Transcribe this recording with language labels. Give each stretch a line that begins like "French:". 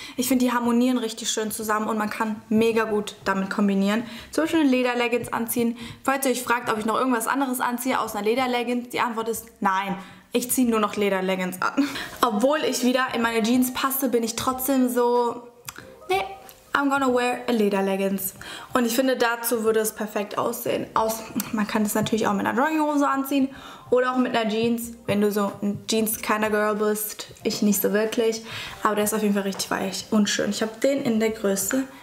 German: Ich finde, die harmonieren richtig schön zusammen und man kann mega gut damit kombinieren. Zum Beispiel eine Lederleggings anziehen. Falls ihr euch fragt, ob ich noch irgendwas anderes anziehe aus einer Lederleggings, die Antwort ist nein. Ich ziehe nur noch Lederleggings an. Obwohl ich wieder in meine Jeans passe, bin ich trotzdem so... Nee.
English: I'm gonna wear a Lederleggings.
German: Und ich finde, dazu würde es perfekt aussehen. Man kann das natürlich auch mit einer Jogginghose anziehen oder auch mit einer Jeans, wenn du so ein Jeans-Kinder-Girl bist. Ich nicht so wirklich. Aber der ist auf jeden Fall richtig weich und schön. Ich habe den in der Größe.